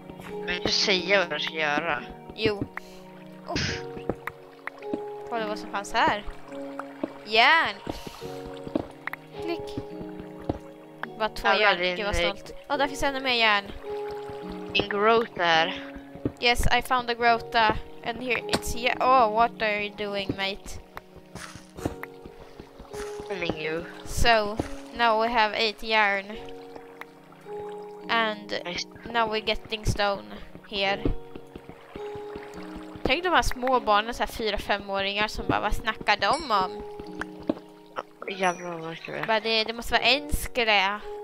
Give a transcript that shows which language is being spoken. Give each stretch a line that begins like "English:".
Swedish: Jag vill inte säga vad jag ska göra. Jo. Kolla vad som fanns här. Järn. Klick. Vad två järn, gud vad stolt. Åh, oh, där finns ännu mer järn. En grota här.
English: Yes, I found a grota. And here, it's oh, what are you doing, mate? I mean you. So, now we have 8 järn. And now we're getting stone here.
Swedish: Tänk de här små barnen, så här 4-5-åringar som bara, vad snackar de om? Jävlar vad skräp. Det måste vara enskliga.